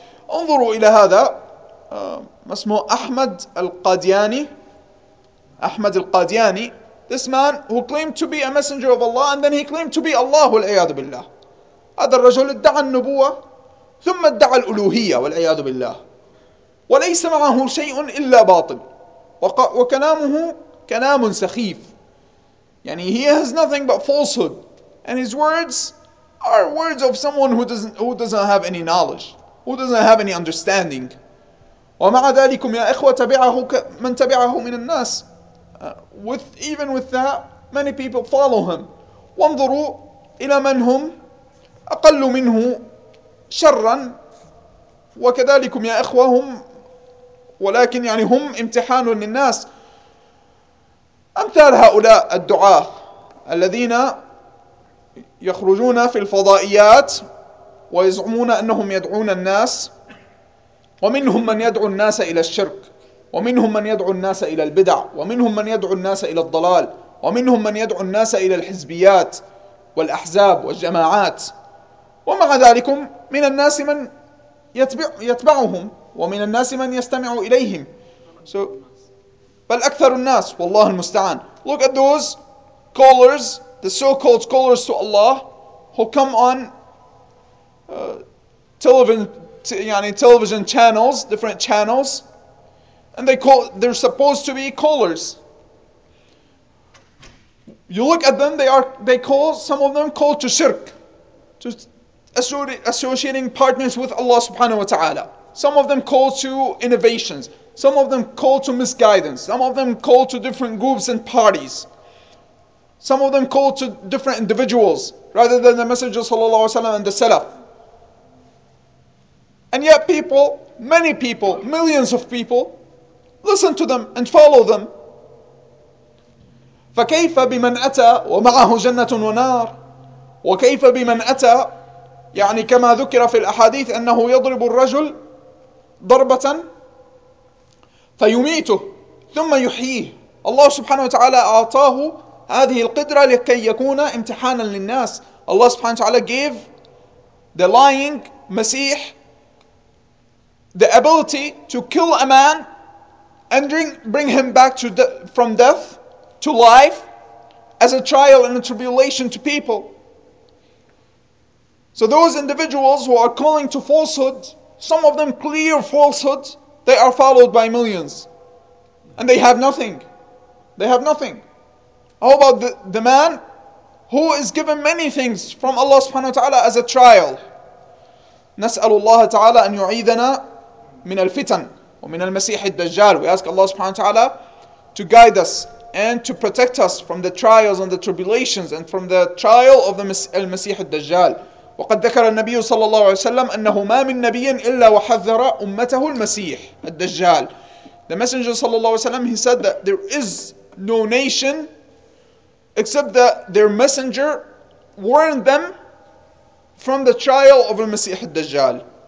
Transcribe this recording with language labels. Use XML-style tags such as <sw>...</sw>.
<ar>انظروا إلى هذا ما اسمه أحمد القادياني.</ar> <en>أحمد القادياني, this man who claimed to be a messenger of Allah and then he claimed to be Allah</en> <ar>والعياذ بالله. هذا الرجل ادعى النبوة ثم ادعى الألوهية والعياذ بالله, وليس معه شيء إلا باطل, وكلامه كلام سخيف. يعني</ar> <en>he has nothing but falsehood and his words are words of someone who doesn't have any knowledge, who doesn't have any understanding.</en> <ar>ومع ذلك يا إخوة تبعه من تبعه من الناس.</ar> <en>With that, many people follow him.</en> <ar>وانظروا إلى من هم أقل منه شرا, وكذلك يا إخوة هم, ولكن يعني هم امتحان للناس. أمثال هؤلاء الدعاة الذين يخرجون في الفضائيات ويزعمون أنهم يدعون الناس, ومنهم من يدعو الناس إلى الشرك, ومنهم من يدعو الناس إلى البدع, ومنهم من يدعو الناس إلى الضلال, ومنهم من يدعو الناس إلى الحزبيات والأحزاب والجماعات, ومع ذلك من الناس من يتبعهم ومن الناس من يستمع إليهم. So, بل أكثر الناس, والله المستعان.</ar> <en>Look at those callers, the so-called callers to Allah who come on television channels, different channels, and they're supposed to be callers. You look at them, some of them call to shirk, to associating partners with Allah subhanahu wa ta'ala. Some of them call to innovations, some of them call to misguidance, some of them call to different groups and parties, some of them call to different individuals rather than the Messenger sallallahu alaihi wasallam and the Salaf. And yet people, many people, millions of people, listen to them and follow them.</en> <ar>فكيف بمن أتى ومعه جنة ونار؟ وكيف بمن أتى, يعني كما ذكر في الأحاديث أنه يضرب الرجل ضربة فيميته ثم يحييه. الله سبحانه وتعالى أعطاه هذه القدرة لكي يكون امتحانا للناس. الله سبحانه وتعالى</ar> <en>gave the lying مسيح the ability to kill a man and bring him back to from death to life as a trial and a tribulation to people. So those individuals who are calling to falsehood, some of them clear falsehood, they are followed by millions and they have nothing. They have nothing. How about the man who is given many things from Allah subhanahu wa ta'ala as a trial?</en> <ar>نسأل الله تعالى أن يعيدنا من الفتن ومن المسيح الدجال.</ar> <en>We ask Allah subhanahu wa ta'ala to guide us and to protect us from the trials and the tribulations and from the trial of the Al-Masih al-Dajjal.</en> <ar>وقد ذكر النبي صلى الله عليه وسلم أنه ما من نبي إلا وحذر أمته المسيح الدجال.</ar> <en>The Messenger</en> <ar>صلى الله عليه وسلم,</ar> <en>he said that there is no nation except that their messenger warned them from the trial of المسيح الدجال.</en>